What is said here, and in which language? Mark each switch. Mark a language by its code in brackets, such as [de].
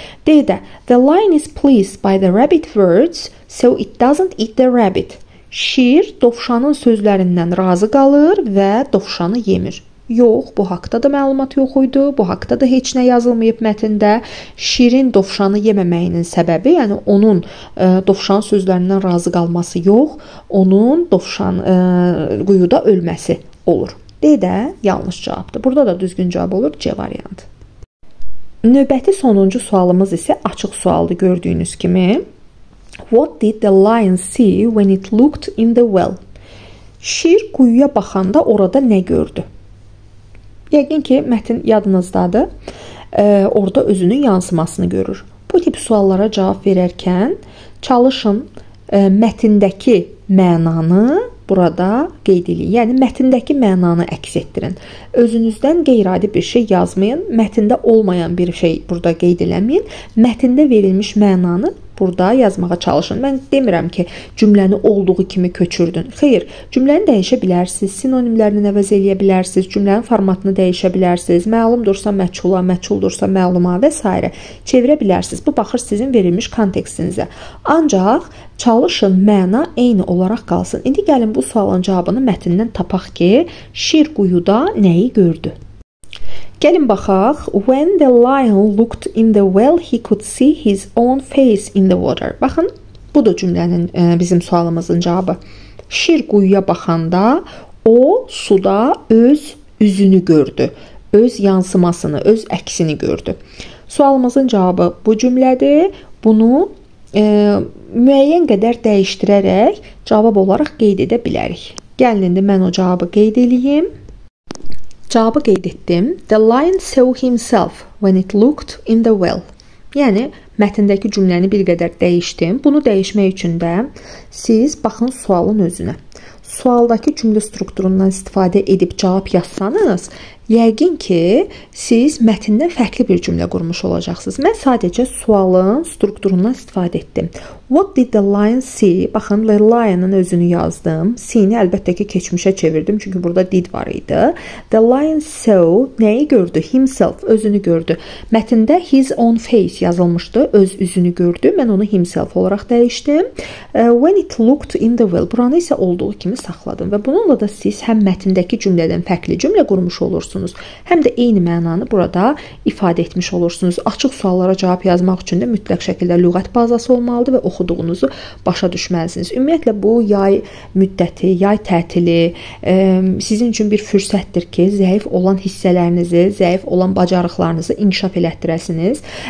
[en] D-də, the lion is pleased by the rabbit words, so it doesn't eat the rabbit. [az] Şir dovşanın sözlərindən razı qalır və dovşanı yemir. Yox, bu haqda da məlumat yox idi, bu haqda da heç nə yazılmayıb mətində. Şirin dovşanı yeməməyinin səbəbi, yəni onun dovşan sözlərindən razı qalması yox, onun dovşan quyuda ölməsi olur. D də yanlış cavabdır. Burada da düzgün cavab olur, C variantı. Növbəti sonuncu sualımız isə açıq sualdır gördüyünüz kimi. [en] What did the lion see when it looked in the well? [az] Şir quyuya baxanda orada nə gördü? Yəqin ki, mətn yadınızdadır, orada özünün yansımasını görür. Bu tip suallara cavab verərkən çalışın mətndəki mənanı burada qeyd edin. Yəni, mətndəki mənanı əks etdirin. Özünüzdən qeyri-adi bir şey yazmayın. Mətndə olmayan bir şey burada qeyd eləməyin. Mətndə verilmiş mənanı burada yazmağa çalışın. Mən demirəm ki, cümləni olduğu kimi köçürdün. Xeyr, cümləni dəyişə bilərsiniz, sinonimlərini əvəz edə bilərsiniz, cümlənin formatını dəyişə bilərsiniz, məlumdursa məçula, məçuldursa məluma və s. çevirə bilərsiniz. Bu baxır sizin verilmiş kontekstinizə. Ancaq çalışın, məna eyni olaraq qalsın. İndi gəlin bu sualın cavabını mətindən tapaq ki, şir quyuda nəyi gördü? Gəlin baxaq, [en] when the lion looked in the well, he could see his own face in the water. [az] Baxın, bu da cümlənin, bizim sualımızın cavabı. Şir quyuya baxanda o suda öz üzünü gördü, öz yansımasını, öz əksini gördü. Sualımızın cavabı bu cümlədir, bunu müəyyən qədər dəyişdirərək cavab olaraq qeyd edə bilərik. Gəlin, indi mən o cavabı qeyd edeyim. Cavabı qeyd etdim. [en] The lion saw himself when it looked in the well. [az] Yəni, mətindəki cümləni bir qədər dəyişdim. Bunu dəyişmək üçün də siz baxın sualın özünə. Sualdakı cümlə strukturundan istifadə edib cavab yazsanız, yəqin ki, siz mətindən fərqli bir cümlə qurmuş olacaqsınız. Mən sadəcə sualın strukturundan istifadə etdim. [en] What did the lion see? [az] Baxın, the lion-ın özünü yazdım. See-ni əlbəttə ki, keçmişə çevirdim, çünki burada did var idi. [en] The lion saw, [az] nəyi gördü? Himself, özünü gördü. Mətində [en] his own face [az] yazılmışdı, öz üzünü gördü. Mən onu himself olaraq dəyişdim. [en] When it looked in the well, [az] buranı isə olduğu kimi saxladım. Və bununla da siz həm mətindəki cümlədən fərqli cümlə qurmuş olursunuz, həm də eyni mənanı burada ifadə etmiş olursunuz. Açıq suallara cavab yazmaq üçün də mütləq şəkildə lüğət bazası olmalıdır və oxuduğunuzu başa düşməlisiniz. Ümumiyyətlə, bu yay müddəti, yay tətili sizin üçün bir fürsətdir ki, zəif olan hissələrinizi, zəif olan bacarıqlarınızı inkişaf elətdirəsiniz.